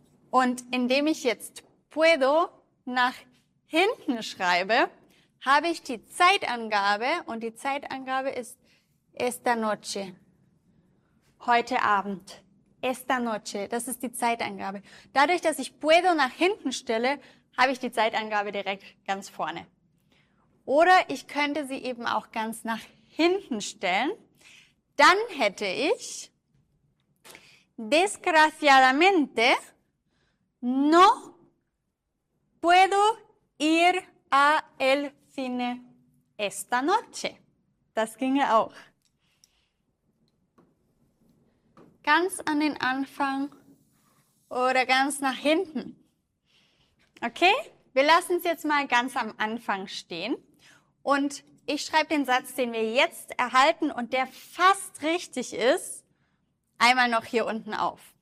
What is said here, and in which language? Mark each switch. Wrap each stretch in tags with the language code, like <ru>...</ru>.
<de>Und indem ich jetzt puedo nach hinten schreibe, habe ich die Zeitangabe und die Zeitangabe ist</de> <es>esta noche.</es> <de>Heute Abend.</de> <es>Esta noche.</es> <de>Das ist die Zeitangabe. Dadurch, dass ich puedo nach hinten stelle, habe ich die Zeitangabe direkt ganz vorne. Oder ich könnte sie eben auch ganz nach hinten stellen. Dann hätte ich</de> <es>desgraciadamente no puedo ir a el cine esta noche.</es> <de>Das ginge auch. Ganz an den Anfang oder ganz nach hinten. Okay, wir lassen es jetzt mal ganz am Anfang stehen. Und ich schreibe den Satz, den wir jetzt erhalten und der fast richtig ist, einmal noch hier unten auf.</de>